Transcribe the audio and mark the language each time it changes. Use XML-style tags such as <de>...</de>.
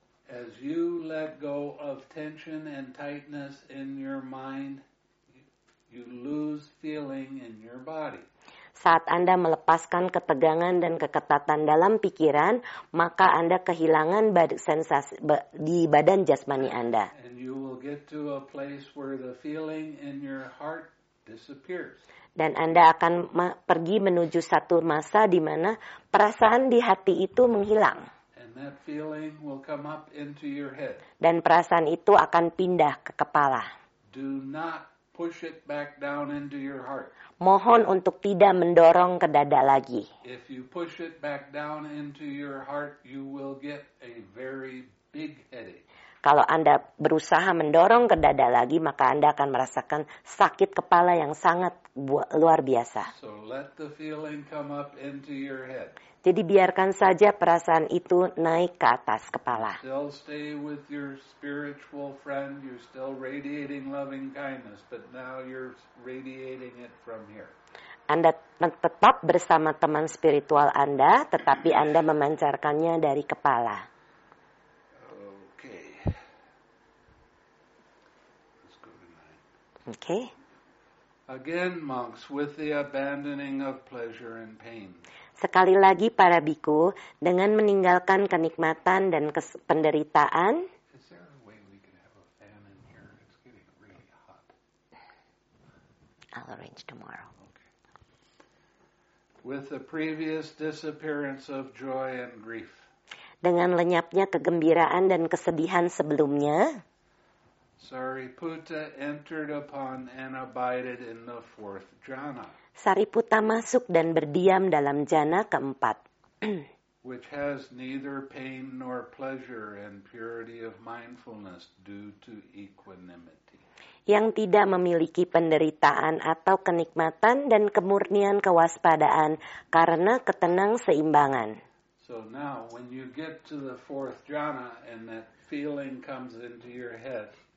<en>As you let go of tension and tightness in your mind, you lose feeling in your body.</en> <id>Saat Anda melepaskan ketegangan dan keketatan dalam pikiran, maka Anda kehilangan sensasi di badan jasmani Anda.</id> <en>And you will get to a place where the feeling in your heart disappears.</en> <id>Dan Anda akan pergi menuju satu masa di mana perasaan di hati itu menghilang.</id> <en>And that feeling will come up into your head.</en> <id>Dan perasaan itu akan pindah ke kepala.</id> <en>Do not push it back down into your heart.</en> <id>Mohon untuk tidak mendorong ke dada lagi.</id> <en>If you push it back down into your heart, you will get a very big headache.</en> <id>Kalau Anda berusaha mendorong ke dada lagi, maka Anda akan merasakan sakit kepala yang sangat luar biasa.</id> <en>So let the feeling come up into your head.</en> <id>Jadi biarkan saja perasaan itu naik ke atas kepala.</id> <en>Still stay with your spiritual friend. You're still radiating loving kindness, but now you're radiating it from here.</en> <id>Anda tetap bersama teman spiritual Anda, tetapi Anda memancarkannya dari kepala.</id> <en>Okay. Let's go to nine. Okay. Again, monks, with the abandoning of pleasure and pain.</en> <id>Sekali lagi para biku, dengan meninggalkan kenikmatan dan penderitaan.</id> <en>Is there a way we can have a fan in here? It's getting really hot. I'll arrange tomorrow. Okay. With the previous disappearance of joy and grief.</en> <id>Dengan lenyapnya kegembiraan dan kesedihan sebelumnya.</id> <en>Sariputta entered upon and abided in the fourth jhana.</en> <id>Sariputta masuk dan berdiam dalam jhana keempat.</id> <en>Which has neither pain nor pleasure and purity of mindfulness due to equanimity.</en> <id>Yang tidak memiliki penderitaan atau kenikmatan dan kemurnian kewaspadaan karena ketenang seimbangan.</id> <en>So now when you get to the fourth jhana and that feeling comes into your head.</en>